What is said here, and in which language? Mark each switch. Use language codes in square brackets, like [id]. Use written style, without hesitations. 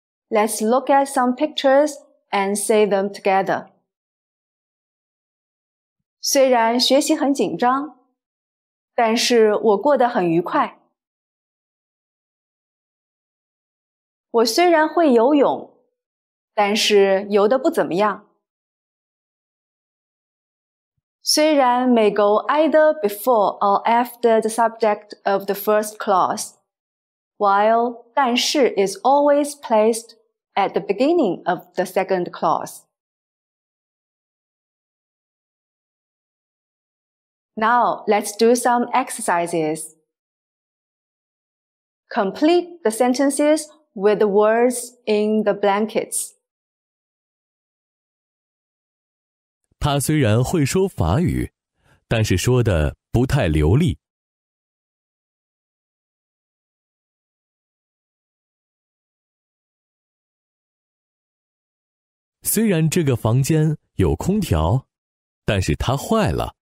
[en] Let's look at some pictures and say them together. [zh] 虽然学习很紧张，但是我过得很愉快。我虽然会游泳，但是游得不怎么样。 [en] 虽然 may go either before or after the subject of the first clause, while 但是 is always placed at the beginning of the second clause. Now, let's do some exercises. Complete the sentences with the words in the blankets. [zh] 他虽然会说法语，但是说的不太流利。虽然这个房间有空调，但是它坏了。